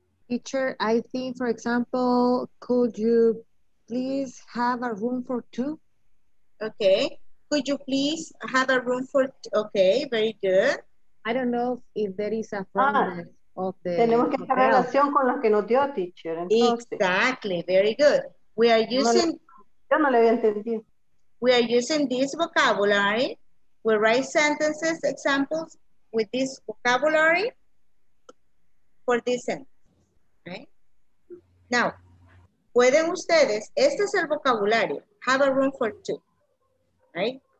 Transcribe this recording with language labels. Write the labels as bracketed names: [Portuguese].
[English] Teacher, I think, for example, could you please have a room for two? Okay, could you please have a room for two? Okay, very good. I don't know if there is a problem of the [Spanish] tenemos que hacer relación con los que nos dio, teacher. [English] Exactly, very good. We are using, we are using this vocabulary. We write sentences, examples with this vocabulary for this sentence, right? Now, [Spanish] pueden ustedes, este es el vocabulario, [English] have a room for two, right?